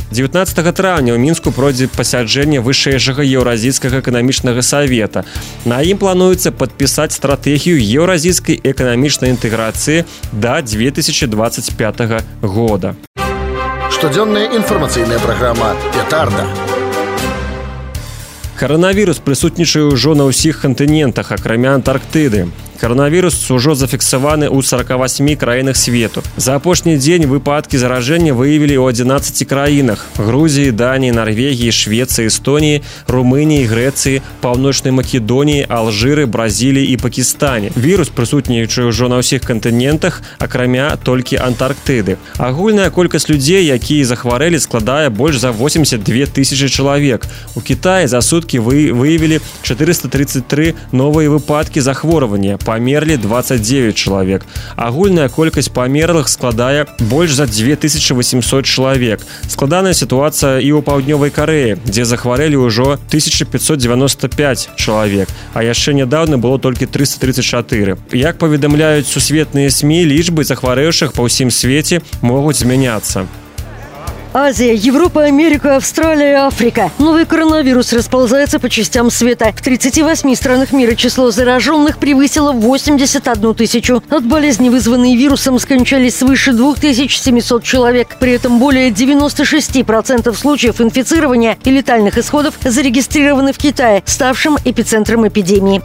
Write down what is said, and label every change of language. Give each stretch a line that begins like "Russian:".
Belarusian: 19 травня у Минску пройдет посяджение Высшего Евразийского экономичного совета. На им плануется подписать стратегию евразийской экономичной интеграции до 2025 года. Штодзённая информационная программа «Петарда». Коронавірус прысутнічае ўжо на ўсіх кантынентах, акрамя Антарктыды. Коронавірус ўжо зафіксаваны ў 48 краінах свету. За апошні дзень выпадкі заражэння выявілі ў 11 краінах – Грузіі, Даніі, Нарвегіі, Швецыі, Эстоніі, Румыніі, Грэцыі, Паўночнай Македоніі, Алжыры, Бразіліі і Пакістані. Вірус прысутнічае ўжо на ўсіх кантынентах, акрамя толькі Антарктыды. Агульная колькасць людзей, якія захварэлі, складае больш за 82 тысячы чалавек. У Кітаі за суткі выявілі 433 новыя выпадкі захворвання. Памерлі 29 чалавек. Агульная колькасць памерлых складае больш за 2800 чалавек. Складаная сітуацыя і ў Паўднёвай Карэі, дзе захварэлі ўжо 1595 чалавек, а яшчэ нядаўна было толькі 334. Як паведамляюць сусветныя СМІ, лічбы захварэўшых па ўсім свеце могуць змяняцца.
Russian: Азия, Европа, Америка, Австралия, Африка. Новый коронавирус расползается по частям света. В 38 странах мира число зараженных превысило 81 тысячу. От болезни, вызванной вирусом, скончались свыше 2700 человек. При этом более 96% случаев инфицирования и летальных исходов зарегистрированы в Китае, ставшем эпицентром эпидемии.